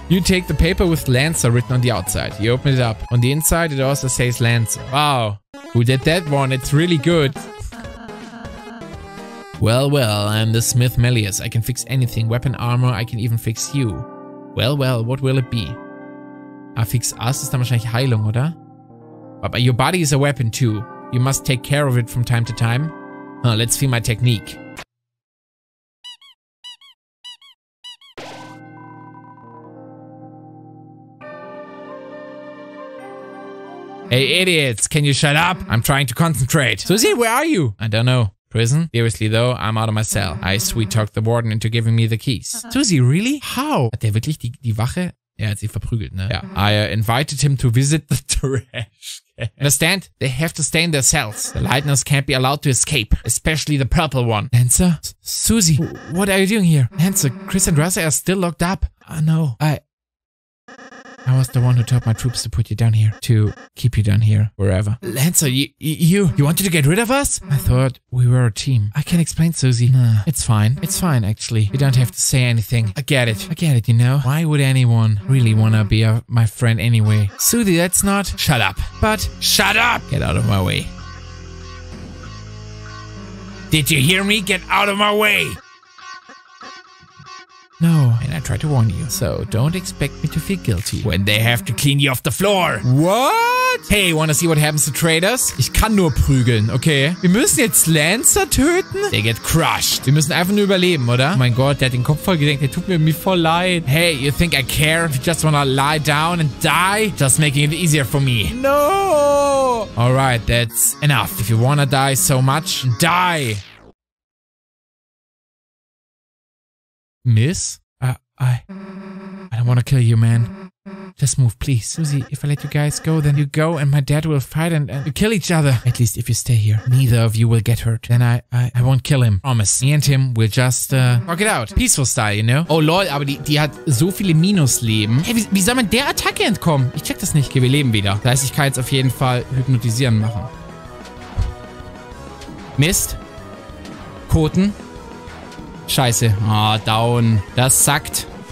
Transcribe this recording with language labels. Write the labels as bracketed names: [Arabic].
[English] You take the paper with Lancer written on the outside. You open it up. On the inside, it also says Lancer. Wow. Who did that one? It's really good. Well, well, I'm the Smith Melius. I can fix anything. Weapon, armor, I can even fix you. Well, well, what will it be? [German] Ah, [English] fix us [German] ist dann wahrscheinlich Heilung, oder? [English] But your body is a weapon too. You must take care of it from time to time. Huh, let's feel my technique. Hey idiots, can you shut up? I'm trying to concentrate. Susie, where are you? I don't know. Prison? Seriously though, I'm out of my cell. I sweet-talked the warden into giving me the keys. Susie, really? How? [German] Hat der wirklich die Wache? Er hat sie verprügelt, ne? Ja. [English] I invited him to visit the trash can. Understand? They have to stay in their cells. The lightners can't be allowed to escape. Especially the purple one. Hansa? Susie? What are you doing here? Hansa, Chris and Russell are still locked up. I was the one who told my troops to put you down here. To keep you down here. Wherever. Lancer, you wanted to get rid of us? I thought we were a team. I can explain, Susie. Nah. It's fine. It's fine, actually. You don't have to say anything. I get it. I get it, you know? Why would anyone really wanna be my friend anyway? Susie, that's not... Shut up. But... Shut up! Get out of my way. Did you hear me? Get out of my way! No. And I tried to warn you. So don't expect me to feel guilty. When they have to clean you off the floor. What? Hey, wanna see what happens to traitors? [German] Ich kann nur prügeln, okay? Wir müssen jetzt Lancer töten? [English] They get crushed. [German] Wir müssen einfach nur überleben, oder? Oh mein Gott, der hat den Kopf voll gedenkt. Der tut mir irgendwie voll leid. [English] Hey, you think I care if you just wanna lie down and die? Just making it easier for me. No. Alright, that's enough. If you wanna die so much, die. Miss? I don't want to kill you, man. Just move, please. Susie, if I let you guys go, then you go and my dad will fight and kill each other. At least if you stay here. Neither of you will get hurt. Then I won't kill him. Promise. Me and him will just, work it out. Peaceful style, you know? [German] Oh, lol, aber die hat so viele Minusleben. Hey, wie soll man der Attacke entkommen? Ich check das nicht. Okay, wir leben wieder. Das heißt, ich kann jetzt auf jeden Fall hypnotisieren machen. Mist. Koten. Scheiße. Oh, down. Das sackt.